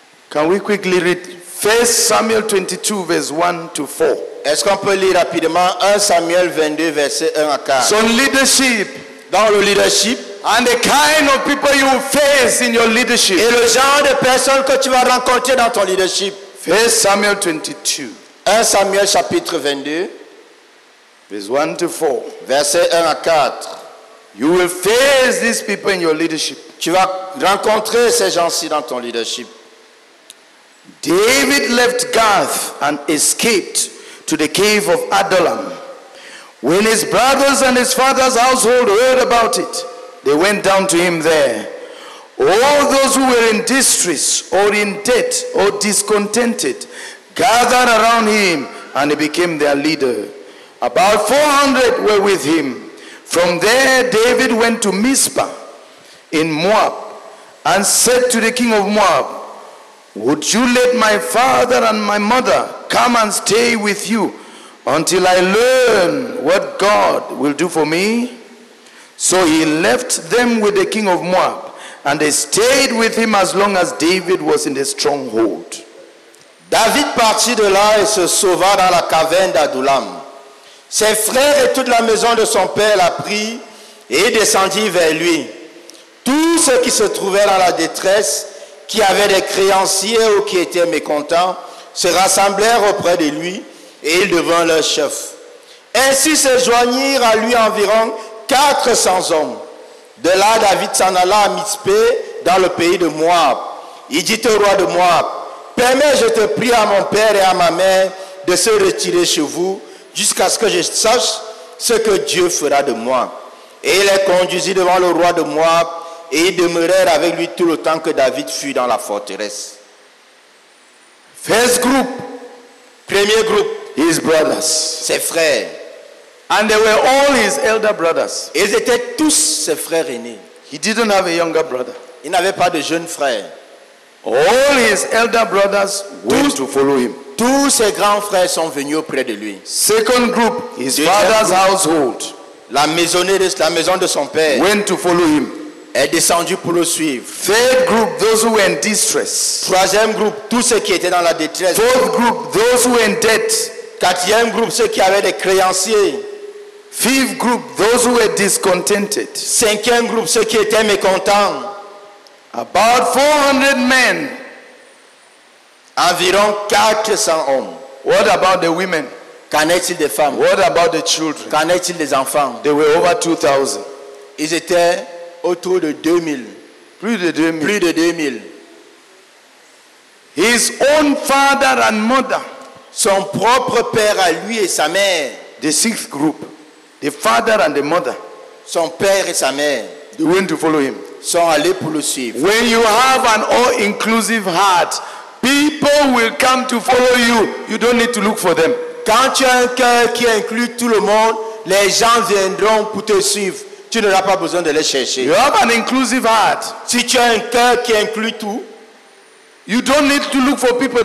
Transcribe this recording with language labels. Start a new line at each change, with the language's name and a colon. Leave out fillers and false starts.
English: Can we quickly read 1 Samuel 22, verse 1 to 4?
French: Est-ce qu'on peut lire rapidement 1 Samuel 22, verset 1 à 4? Son leadership. Dans le leadership.
English: And the kind of people you will face in your leadership.
French: Et le genre de personnes que tu vas rencontrer dans ton leadership.
English: 1 Samuel 22.
French: 1 Samuel chapitre 22.
English: Verse 1 to 4.
French: Verset 1 à 4.
English: You will face these people in your leadership.
French: Tu vas rencontrer ces gens-ci dans ton leadership.
English: David left Gath and escaped to the cave of Adullam. When his brothers and his father's household heard about it, they went down to him there. All those who were in distress or in debt or discontented gathered around him and he became their leader. About 400 were with him. From there, David went to Mizpah in Moab and said to the king of Moab, "Would you let my father and my mother come and stay with you until I learn what God will do for me?" So he left them with the king of Moab. And they stayed with him as long as David was in the stronghold.
French: David partit de là et se sauva dans la caverne d'Adullam. Ses frères et toute la maison de son père la prit et descendit vers lui. Tous ceux qui se trouvaient dans la détresse, qui avaient des créanciers ou qui étaient mécontents, se rassemblèrent auprès de lui et il devint leur chef. Ainsi se joignirent à lui environ 400 hommes. De là, David s'en alla à Mitzpé, dans le pays de Moab. Il dit au roi de Moab, « Permets, je te prie à mon père et à ma mère de se retirer chez vous jusqu'à ce que je sache ce que Dieu fera de moi. » Et il les conduisit devant le roi de Moab et ils demeurèrent avec lui tout le temps que David fut dans la forteresse.
English: First group,
French: premier groupe,
English: his brothers,
French: ses frères.
English: And they were all his elder brothers.
French: Ils étaient tous ses frères aînés.
English: He didn't have a younger brother.
French: Il n'avait pas de jeune frère.
English: All his elder brothers went to follow him.
French: Tous ses grands frères sont venus auprès de lui.
English: Second group, his father's household.
French: La maison de son père.
English: Went to follow him.
French: Est descendu pour le suivre.
English: Third group, those who were in distress.
French: Troisième groupe, tous ceux qui étaient dans la détresse.
English: Fourth group, those who were in debt.
French: Quatrième groupe, ceux qui avaient des créanciers.
English: Fifth group, those who were discontented.
French: Cinquième groupe, ceux qui étaient mécontents.
English: About 400 men.
French: Environ 400 hommes.
English: What about the women?
French: Qu'en est-il des femmes?
English: What about the children?
French: Qu'en est-il des enfants?
English: They were over 2,000.
French: Ils étaient autour de 2,000. Plus de 2000. Plus de 2000.
English: His own father and mother.
French: Son propre père à lui et sa mère.
English: The sixth group. The father and the mother.
French: Son père et sa mère.
English: They went to follow him.
French: Sont allés pour le suivre.
English: When you have an all-inclusive heart, people will come to follow you. You don't need to look for them.
French: Quand tu as un cœur qui inclut tout le monde, les gens viendront pour te suivre. Tu n'auras pas besoin de les chercher.
English: You have an inclusive heart.
French: Si tu as un cœur qui inclut tout,
English: you don't need to look for people.